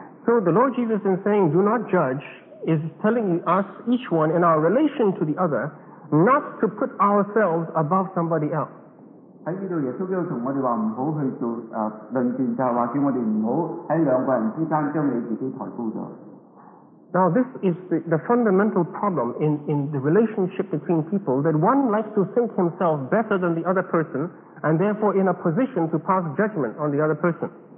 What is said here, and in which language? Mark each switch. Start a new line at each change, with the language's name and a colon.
English: So the Lord Jesus is saying, do not judge, is telling us, each one, in our relation to the other, not to put ourselves above somebody else.
Chinese: 在这里耶稣基督跟我们说不要去论断，就是说叫我们不要在两个人之间将你自己抬高了。
English: Now this is the fundamental problem in the relationship between people, that one likes to think himself better than the other person, and therefore in a position to pass judgment on the other person.